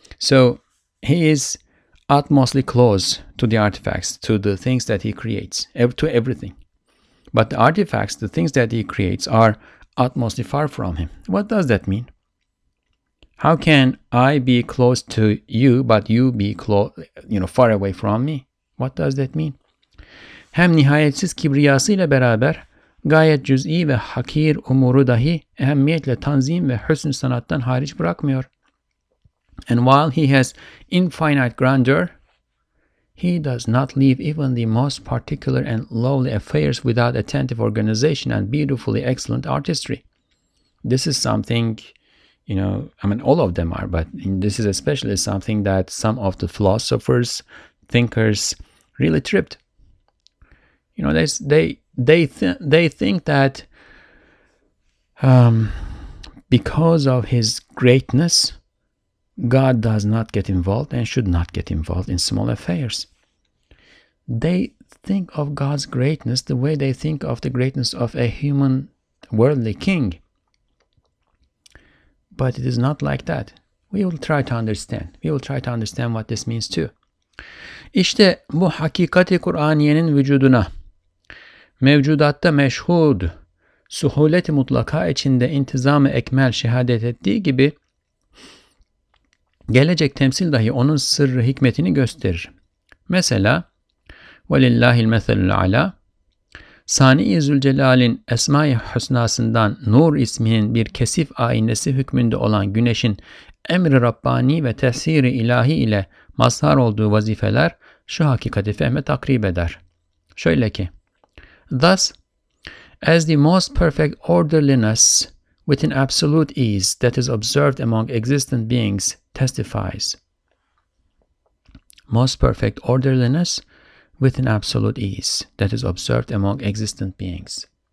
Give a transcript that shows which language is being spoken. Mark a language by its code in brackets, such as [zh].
[en] So he is utmostly close to the artifacts, to the things that he creates, to everything. But the artifacts, the things that he creates, are utmostly far from him. What does that mean? How can I be close to you, but you be far away from me? What does that mean? [tr] Hem nihayetsiz kibriyasıyla beraber gayet cüz'i ve hakir umuru dahi ehemmiyetle tanzim ve hüsn sanattan hariç bırakmıyor. [en] And while he has infinite grandeur, he does not leave even the most particular and lowly affairs without attentive organization and beautifully excellent artistry. This is something, all of them are, but this is especially something that some of the philosophers, thinkers really tripped. You know, they think that because of his greatness, God does not get involved and should not get involved in small affairs. They think of God's greatness the way they think of the greatness of a human worldly king. But it is not like that. We will try to understand. We will try to understand what this means too. [tr] İşte bu hakikati Kur'aniyenin vücuduna, mevcudatta meşhud, suhuleti mutlaka içinde intizam-ı ekmel şehadet ettiği gibi, gelecek temsil dahi onun sırrı hikmetini gösterir. Mesela, [ar] وَلِلَّهِ الْمَثَلُ الْعَلَى [tr] Sani-i Zülcelal'in Esma-i Hüsnasından Nur isminin bir kesif aynesi hükmünde olan güneşin emri Rabbani ve tesiri ilahi ile mazhar olduğu vazifeler şu hakikati fehme takrib eder. Şöyle ki, [en] Thus, as the most perfect orderliness with an absolute ease that is observed among existent beings testifies. Most perfect orderliness with an absolute ease that is observed among existent beings.